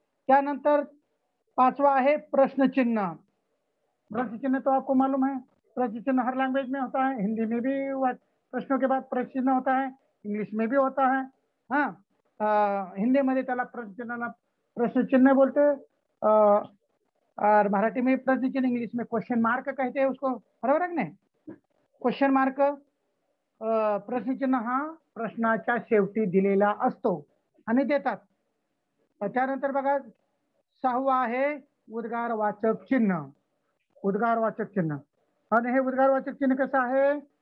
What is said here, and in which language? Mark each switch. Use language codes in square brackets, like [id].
[mr] त्यानंतर पांचवा आहे प्रश्न चिन्ह. [hi] प्रश्न चिन्ह तो आपको मालूम है, प्रश्न चिन्ह हर लैंग्वेज में होता है, हिंदी में भी प्रश्नों के बाद प्रश्न चिन्ह होता है, इंग्लिश में भी होता है, हाँ [mr] हिंदी मध्ये त्याला प्रश्न चिन्हाला प्रश्न चिन्ह बोलते, [hi] और मराठी में प्रश्न चिन्ह, इंग्लिश में क्वेश्चन मार्क कहते हैं उसको, बराबर है ना, क्वेश्चन मार्क. [mr] प्रश्न चिन्ह हा प्रश्नाच्या शेवटी दिलेला असतो आणि देतात. त्यानंतर बघा सहावा आहे उद्गारवाचक चिन्ह, उद्गारवाचक चिन्ह, आणि हे उद्गारवाचक चिन्ह कसं आहे,